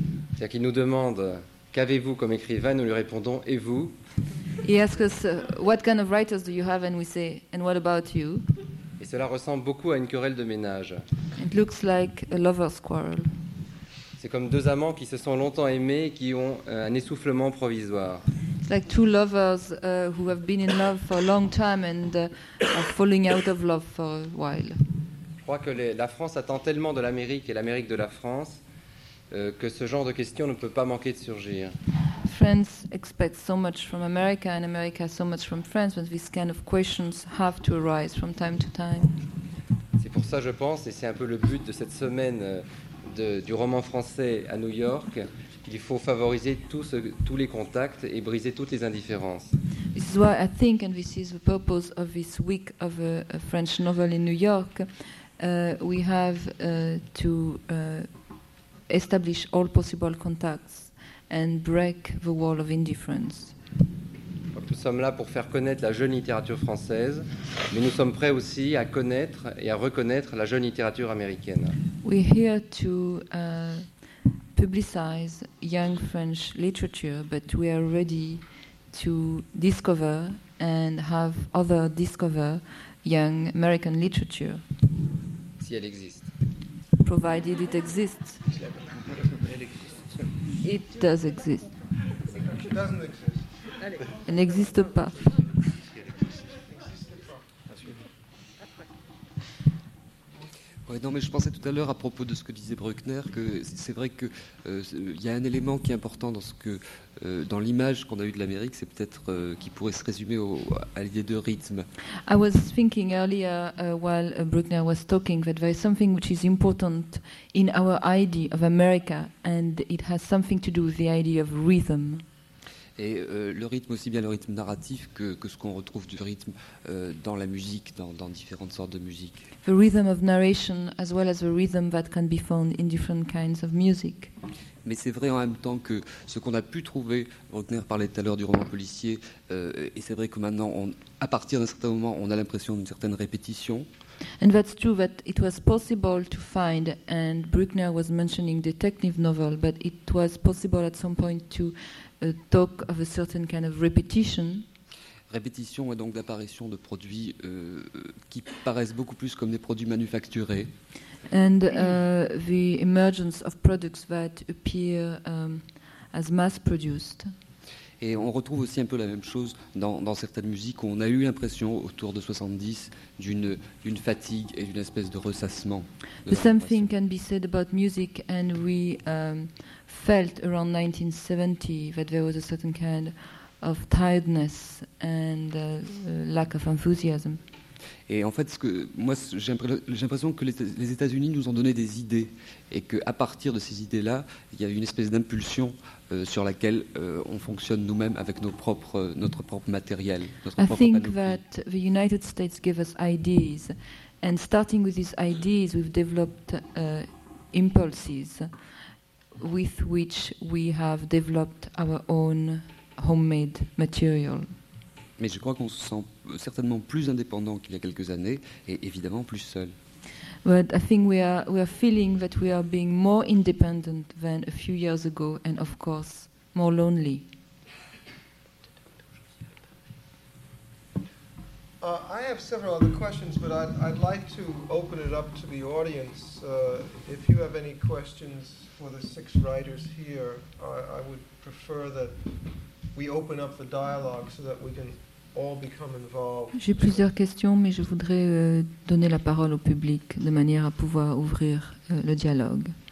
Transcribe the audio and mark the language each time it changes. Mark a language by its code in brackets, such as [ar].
[fr] C'est-à-dire qu'il nous demande qu'avez-vous comme écrivain, nous lui répondons et vous. [en] He asks us what kind of writers do you have, and we say and what about you. [fr] Et cela ressemble beaucoup à une querelle de ménage. [en] It looks like a lover's quarrel. [fr] C'est comme deux amants qui se sont longtemps aimés et qui ont un essoufflement provisoire. [en] It's like two lovers who have been in love for a long time and are falling out of love for a while. [fr] Je crois que la France attend tellement de l'Amérique et l'Amérique de la France que ce genre de question ne peut pas manquer de surgir. [en] France expects so much from America and America so much from France, but these kind of questions have to arise from time to time. [fr] C'est pour ça, je pense, et c'est un peu le but de cette semaine du roman français à New York, qu'il faut favoriser tous les contacts et briser toutes les indifférences. [en] This is why I think, and this is the purpose of this week of a French novel in New York, we have to establish all possible contacts and break the wall of indifference. [fr] Nous sommes là pour faire connaître la jeune littérature française, mais nous sommes prêts aussi à connaître et à reconnaître la jeune littérature américaine. [en] We're here to publicize young French literature, but we are ready to discover and have others discover young American literature. [fr] Si elle existe. [en] Provided it exists. It does exist. It doesn't exist. [fr] Elle n'existe pas. Ouais, non, mais je pensais tout à l'heure à propos de ce que disait Bruckner que c'est vrai que il y a un élément qui est important dans ce que dans l'image qu'on a eue de l'Amérique, c'est peut-être qui pourrait se résumer à l'idée de rythme. [en] I was thinking earlier while Bruckner was talking that there is something which is important in our idea of America and it has something to do with the idea of rhythm. [fr] Et le rythme, aussi bien le rythme narratif que ce qu'on retrouve du rythme dans la musique, dans différentes sortes de musique. [en] The rhythm of narration as well as the rhythm that can be found in different kinds of music. [fr] Mais c'est vrai en même temps que ce qu'on a pu trouver, Bruckner parlait tout à l'heure du roman policier, et c'est vrai que maintenant, à partir d'un certain moment, on a l'impression d'une certaine répétition. [en] And that's true that it was possible to find, and Bruckner was mentioning detective novel, but it was possible at some point to talk of a certain kind of repetition. [fr] Répétition et donc d'apparition de produits qui paraissent beaucoup plus comme des produits manufacturés. [en] And the emergence of products that appear as mass-produced. [fr] Et on retrouve aussi un peu la même chose dans certaines musiques où on a eu l'impression autour de 70 d'une fatigue et d'une espèce de ressassement. [en] The same thing can be said about music, and we felt around 1970 that there was a certain kind of tiredness and lack of enthusiasm. [fr] Et en fait, j'ai l'impression que les États-Unis nous ont donné des idées et qu'à partir de ces idées-là, il y a une espèce d'impulsion sur laquelle on fonctionne nous-mêmes avec notre propre matériel, notre propre panoplie. [en] I think that the United States gave us ideas, and starting with these ideas, we've developed impulses with which we have developed our own homemade material. [fr] Mais je crois qu'on se sent certainement plus indépendant qu'il y a quelques années et évidemment plus seul. [en] But I think we are feeling that we are being more independent than a few years ago and of course more lonely. I have several other questions, but I'd like to open it up to the audience. If you have any questions for the six writers here, I would prefer that we open up the dialogue so that we can all become involved. [fr] J'ai plusieurs questions, mais je voudrais donner la parole au public de manière à pouvoir ouvrir le dialogue.